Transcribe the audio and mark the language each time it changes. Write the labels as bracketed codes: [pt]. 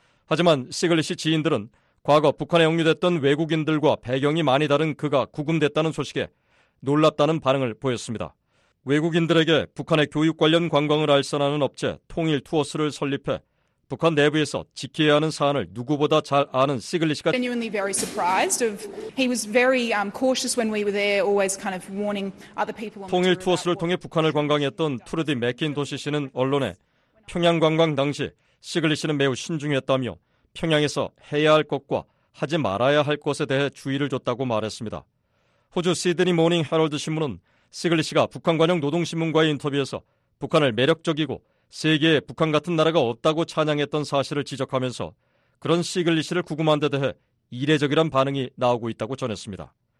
[ko] 하지만 시글리 씨 지인들은 과거 북한에 억류됐던 외국인들과 배경이 많이 다른 그가 구금됐다는 소식에 놀랍다는 반응을 보였습니다. 외국인들에게 북한의 교육 관련 관광을 알선하는 업체 통일 투어스를 설립해 북한 내부에서 지켜야 하는 사안을 누구보다 잘 아는 시글리 씨가 [en] genuinely very surprised of he was very cautious when we were there always kind of warning other people. [ko] 통일 투어스를 통해 북한을 관광했던 트루디 맥킨도시 씨는 언론에 평양 관광 당시 시글리 씨는 매우 신중했다며 평양에서 해야 할 것과 하지 말아야 할 것에 대해 주의를 줬다고 말했습니다. 호주 시드니 모닝 헤럴드 신문은 시글리 씨가 북한 관영 노동신문과의 인터뷰에서 북한을 매력적이고 세계에 북한 같은 나라가 없다고 찬양했던 사실을 지적하면서 그런 시글리 씨를 구금한 데 대해 이례적이란 반응이 나오고 있다고 전했습니다.